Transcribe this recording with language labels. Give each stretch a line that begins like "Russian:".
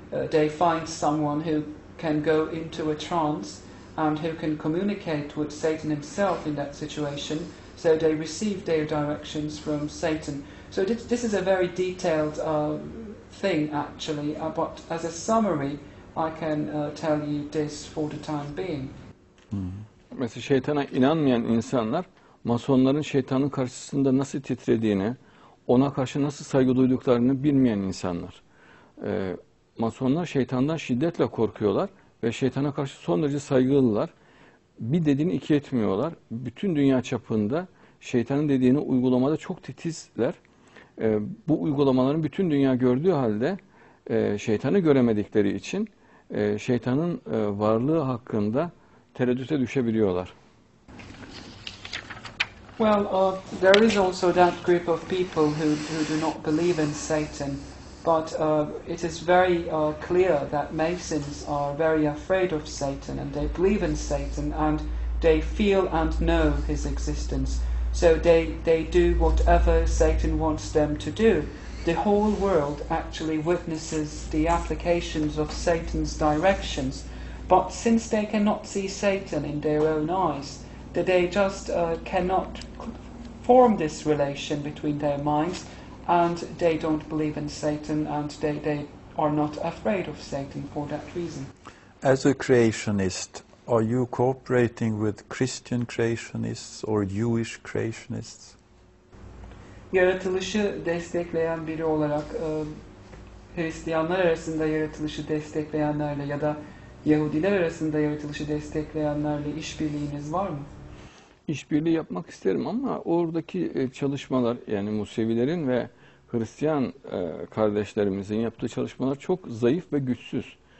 English: They find someone who can go into a trance and who can communicate with Satan himself in that situation, so they receive their directions from Satan. So this is a very detailed thing actually, but as a summary I can tell you this for the time being.
Turkish: Mesela şeytana inanmayan insanlar Masonların şeytanın karşısında nasıl titrediğini, ona karşı nasıl saygı duyduklarını bilmeyen insanlar. Masonlar şeytandan şiddetle korkuyorlar ve şeytana karşı son derece saygılılar. Bir dediğini iki etmiyorlar. Bütün dünya çapında şeytanın dediğini uygulamada çok titizler. Bu uygulamaların bütün dünya gördüğü halde şeytanı göremedikleri için şeytanın varlığı hakkında tereddüte düşebiliyorlar.
English: Well, there is also that group of people who do not believe in Satan, but it is very clear that Masons are very afraid of Satan, and they believe in Satan, and they feel and know his existence. So they do whatever Satan wants them to do. The whole world actually witnesses the applications of Satan's directions, but since they cannot see Satan in their own eyes, that they just cannot form this relation between their minds, and they don't believe in Satan, and they are not afraid of Satan for that reason. as a creationist, are you cooperating with Christian creationists or Jewish creationists?
Turkish: Yaratılışı destekleyen biri olarak Hristiyanlar arasında yaratılışı destekleyenlerle ya da Yahudiler arasında yaratılışı destekleyenlerle işbirliğiniz var mı? İşbirliği yapmak isterim ama oradaki çalışmalar, yani Musevilerin ve Hristiyan kardeşlerimizin yaptığı çalışmalar çok zayıf ve güçsüz.